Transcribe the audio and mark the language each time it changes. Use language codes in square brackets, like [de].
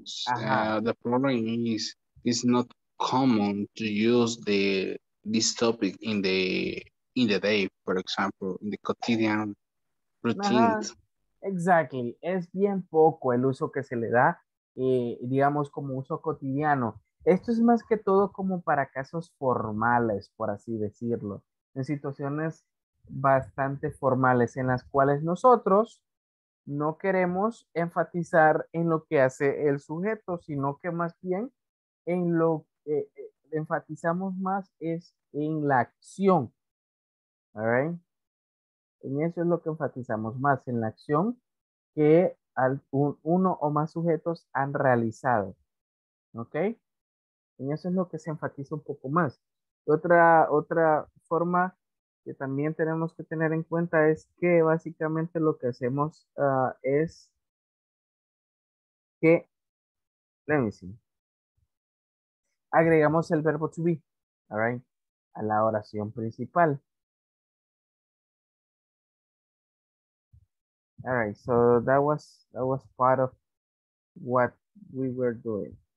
[en] The problem is it's not common to use this topic in the day, for example, in the quotidian routines. Uh-huh. Exactly. [es] Es bien poco el uso que se le da, digamos, como uso cotidiano. Esto es más que todo como para casos formales, por así decirlo. En situaciones bastante formales en las cuales nosotros no queremos enfatizar en lo que hace el sujeto, sino que más bien en lo que enfatizamos más es en la acción. [en] All right. [es] En eso es lo que enfatizamos más, en la acción que uno o más sujetos han realizado. ¿Ok? En eso es lo que se enfatiza un poco más. Otra forma que también tenemos que tener en cuenta es que básicamente lo que hacemos es que, [en] let me see, [es] agregamos el verbo to be, [en] all right, [es] a la oración principal. [en] All right, so that was part of what we were doing.